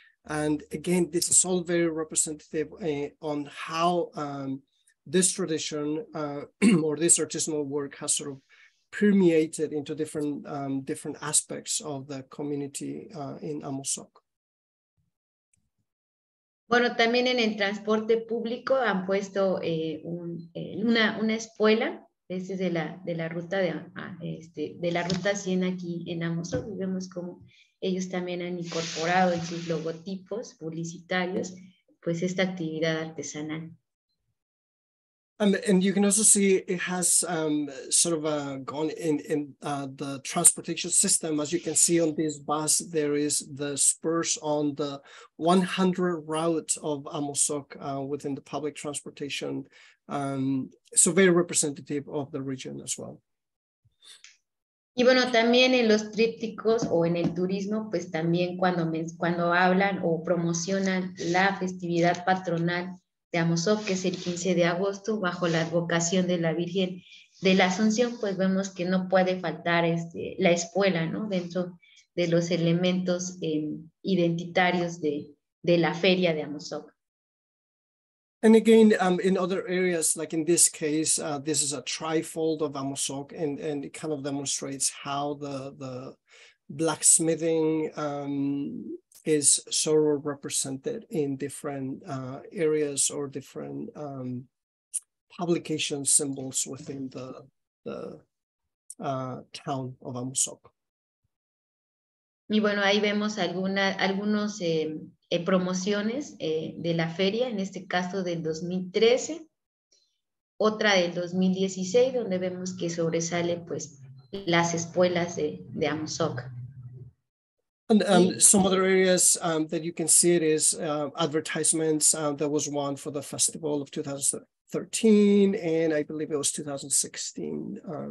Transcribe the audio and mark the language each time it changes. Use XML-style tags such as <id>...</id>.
<en>And again, this is all very representative on how this tradition or this artisanal work has sort of permeated into different aspects of the community in Amozoc.</en> <es>Bueno, también en el transporte público han puesto una espuela. Este es de la ruta de la ruta 100 aquí en Amozoc. Vemos cómo ellos también han incorporado en sus logotipos publicitarios pues esta actividad artesanal.</es> <en>And you can also see it has gone in the transportation system. As you can see on this bus, there is the spurs on the 100 route of Amozoc within the public transportation. So very representative of the region as well.</en> <es>Y bueno, también en los trípticos o en el turismo, pues también cuando hablan o promocionan la festividad patronal de Amozoc, que es el 15 de agosto, bajo la advocación de la Virgen de la Asunción, pues vemos que no puede faltar la espuela, ¿no? Dentro de los elementos identitarios de la feria de Amozoc.</es> <en>And again, in other areas, like in this case, this is a trifold of Amozoc, and it kind of demonstrates how the blacksmithing is sort of represented in different areas or different publication symbols within the town of Amozoc.</en> <es>Y bueno, ahí vemos algunos promociones de la feria, en este caso del 2013, otra del 2016, donde vemos que sobresale pues las espuelas de Amozoc.</es> <en>And some other areas that you can see it is advertisements. There was one for the festival of 2013, and I believe it was 2016.</en>